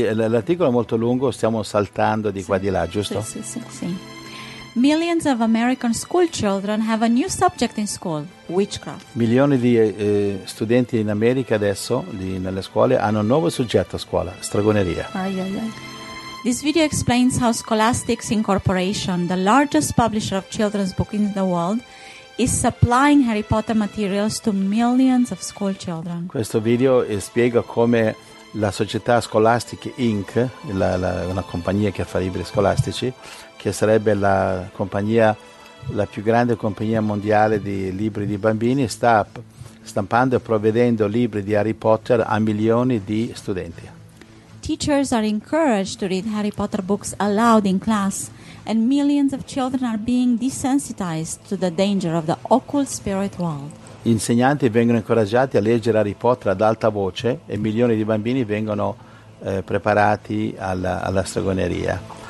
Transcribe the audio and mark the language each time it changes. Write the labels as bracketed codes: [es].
[it] L'articolo è molto lungo, stiamo saltando di qua di là, giusto? [en] Sì. Millions of American school children have a new subject in school, witchcraft. [it] Milioni di studenti in America adesso, nelle scuole, hanno un nuovo soggetto a scuola, stregoneria. Ai, ai, ai. [en] This video explains how Scholastics Incorporation, the largest publisher of children's books in the world, is supplying Harry Potter materials to millions of school children. [it] Questo video spiega come la società Scholastic Inc., una compagnia che fa libri scolastici, che sarebbe la più grande compagnia mondiale di libri di bambini, sta stampando e provvedendo libri di Harry Potter a milioni di studenti. [en] Teachers are encouraged to read Harry Potter books aloud in class, and millions of children are being desensitized to the danger of the occult spirit world. [it] Gli insegnanti vengono incoraggiati a leggere Harry Potter ad alta voce e milioni di bambini vengono preparati alla stregoneria.